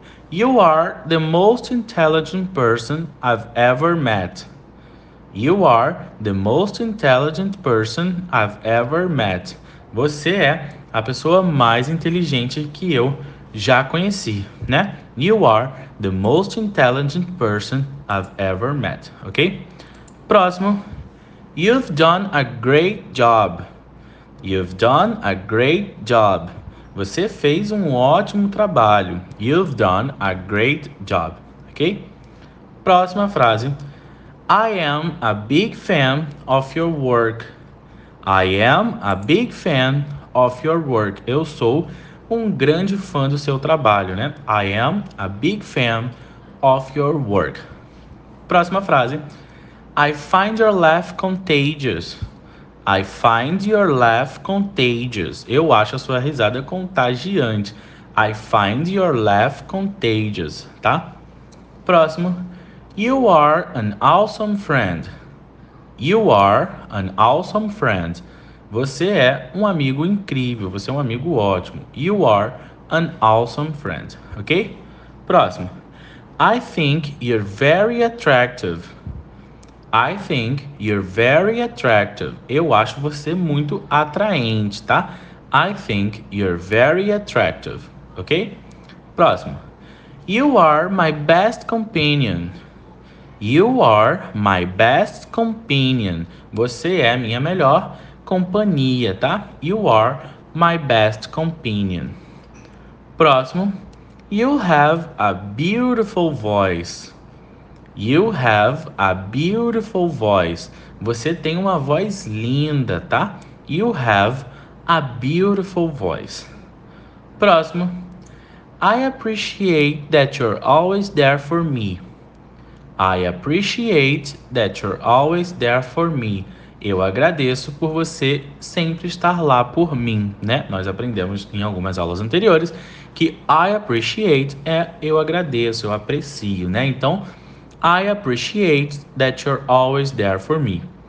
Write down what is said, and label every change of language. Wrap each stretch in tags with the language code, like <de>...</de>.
<en>You are the most intelligent person I've ever met. You are the most intelligent person I've ever met.</en> <pt>Você é a pessoa mais inteligente que eu já conheci, né?</pt> <en>You are the most intelligent person I've ever met, ok? Próximo. You've done a great job. You've done a great job.</en> <pt>Você fez um ótimo trabalho.</pt> <en>You've done a great job, ok?</en> <pt>Próxima frase.</pt> <en>I am a big fan of your work. I am a big fan of your work.</en> <pt>Eu sou um grande fã do seu trabalho, né?</pt> <en>I am a big fan of your work.</en> <pt>Próxima frase.</pt> <en>I find your laugh contagious. I find your laugh contagious.</en> <pt>Eu acho a sua risada contagiante.</pt> <en>I find your laugh contagious, tá? Próximo. You are an awesome friend. You are an awesome friend.</en> <pt>Você é um amigo incrível, você é um amigo ótimo.</pt> <en>You are an awesome friend, ok? Próximo. I think you're very attractive. I think you're very attractive.</en> <pt>Eu acho você muito atraente, tá?</pt> <en>I think you're very attractive, ok? Próximo. You are my best companion. You are my best companion.</en> <pt>Você é minha melhor companhia, tá?</pt> <en>You are my best companion.</en> <pt>Próximo.</pt> <en>You have a beautiful voice. You have a beautiful voice.</en> <pt>Você tem uma voz linda, tá?</pt> <en>You have a beautiful voice.</en> <pt>Próximo.</pt> <en>I appreciate that you're always there for me. I appreciate that you're always there for me.</en> <pt>Eu agradeço por você sempre estar lá por mim, né? Nós aprendemos em algumas aulas anteriores que</pt> <en>I appreciate</en> <pt>é eu agradeço, eu aprecio, né?</pt> <en>Então, I appreciate that you're always there for me.</en>